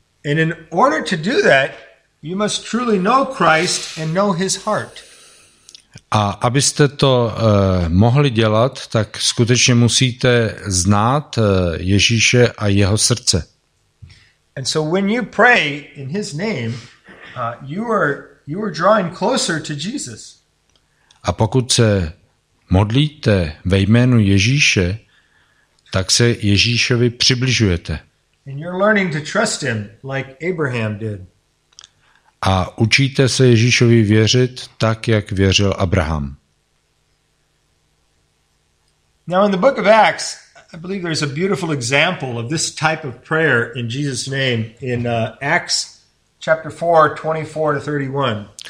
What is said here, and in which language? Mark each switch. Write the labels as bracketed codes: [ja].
[en] And in order to do that, you must truly know Christ and know his heart. [cs] A abyste to mohli dělat, tak skutečně musíte znát Ježíše a jeho srdce. [en] And so when you pray in his name, you are drawing closer to Jesus. [cs] A pokud se modlíte ve jménu Ježíše, tak se Ježíšovi přibližujete. [en] And you're learning to trust him like Abraham did. [cs] A učíte se Ježíšovi věřit tak, jak věřil Abraham. [en] Now in the book of Acts, I believe there's a beautiful example of this type of prayer in Jesus' name in Acts chapter 4, 24 to 31.